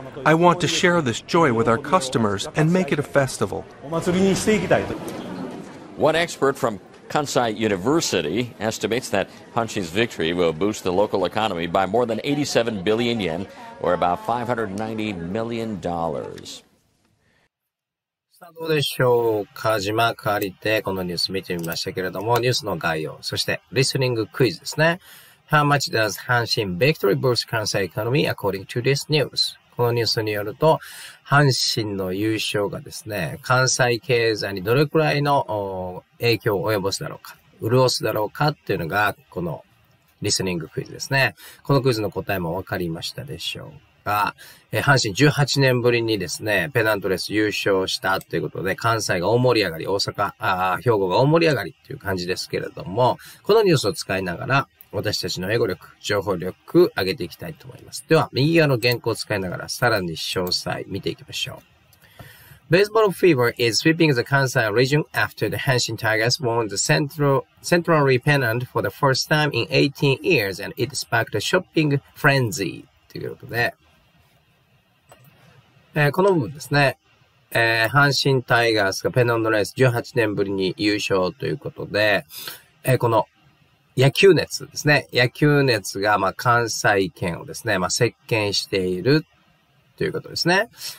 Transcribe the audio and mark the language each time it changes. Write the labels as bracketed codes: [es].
[en] I want to share this joy with our customers and make it a festival. One expert fromKansai University estimates that Hanshin's victory will boost the local economy by more than 87 billion yen, or about $590 million. [ja] さあどうでしょうか。字幕借りてこのニュース見てみましたけれども、ニュースの概要、そしてリスニングクイズですね。 [en] How much does Hanshin victory boost Kansai economy according to this news? [ja] このニュースによると、阪神の優勝がですね、関西経済にどれくらいの影響を及ぼすだろうか、潤すだろうかっていうのが、このリスニングクイズですね。このクイズの答えも分かりましたでしょうか。阪神18年ぶりにですね、ペナントレース優勝したということで、関西が大盛り上がり、大阪、兵庫が大盛り上がりっていう感じですけれども、このニュースを使いながら、私たちの英語力、情報力上げていきたいと思います。では、右側の原稿を使いながら、さらに詳細見ていきましょう。 [en] Baseball fever is sweeping the Kansai region after the Hanshin Tigers won the Central League pennant for the first time in 18 years and it sparked a shopping frenzy. [ja] ということで、この部分ですね。阪神タイガースがペナントレース18年ぶりに優勝ということで、この野球熱ですね。野球熱が、まあ、関西圏をですね、まあ、席巻しているということですね。